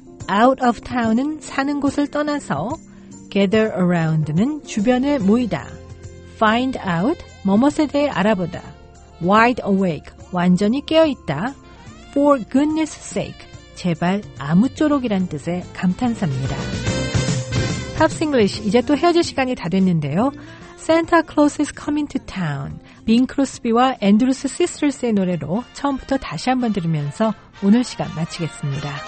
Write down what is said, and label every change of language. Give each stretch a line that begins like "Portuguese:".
Korean: Out of town은 사는 곳을 떠나서 Gather around는 주변에 모이다. Find out, 뭐뭇에 대해 알아보다. Wide awake, 완전히 깨어있다. For goodness sake, 제발 아무쪼록이란 뜻의 감탄사입니다. Pops English, 이제 또 헤어질 시간이 다 됐는데요.
English: Santa Claus is coming to town.
Korean: Bing Crosby와 Andrews Sisters의 노래로 처음부터 다시 한번 들으면서 오늘 시간 마치겠습니다.